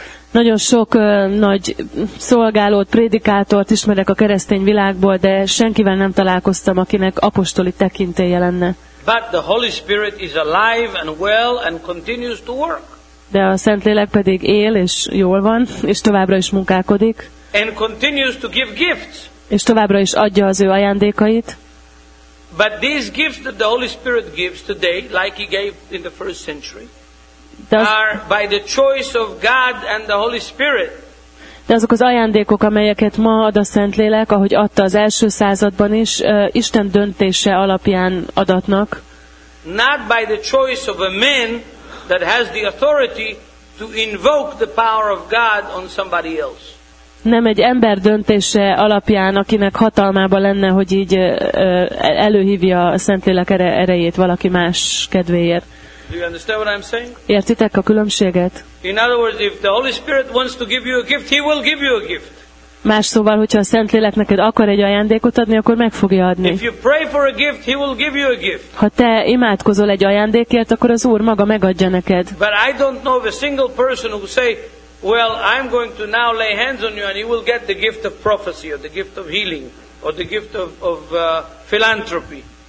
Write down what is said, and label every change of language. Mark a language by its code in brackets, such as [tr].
[hu] Nagyon sok nagy szolgálót, prédikátort ismerek a keresztény világból, de senkivel nem találkoztam, akinek apostoli tekintélye lenne. [en] But the Holy Spirit is alive and well and continues to work. [hu] De a Szentlélek pedig él és jól van, és továbbra is munkálkodik. [en] And continues to give gifts. [hu] És továbbra is adja az ő ajándékait. [en] But these gifts that the Holy Spirit gives today, like he gave in the first century, are by the choice of God and the Holy Spirit. [hu] De azok az ajándékok, amelyeket ma ad a Szentlélek, ahogy adta az első században is, Isten döntése alapján adatnak. [en] Not by the choice of a man that has the authority to invoke the power of God on somebody else. [hu] Nem egy ember döntése alapján, akinek hatalmában lenne, hogy így előhívja a Szentlélek erejét valaki más kedvéért. [en] Do you understand what I'm saying? [hu] Értitek a különbséget? [en] In other words, if the Holy Spirit wants to give you a gift, he will give you a gift. [hu] Más szóval, hogyha a Szentlélek neked akar egy ajándékot adni, akkor meg fogja adni. [en] If you pray for a gift, he will give you a gift. [hu] Ha te imádkozol egy ajándékért, akkor az Úr maga megadja neked. [en] But I don't know of a single person who say, well, I'm going to now lay hands on you and you will get the gift of prophecy or the gift of healing or the gift of philanthropy.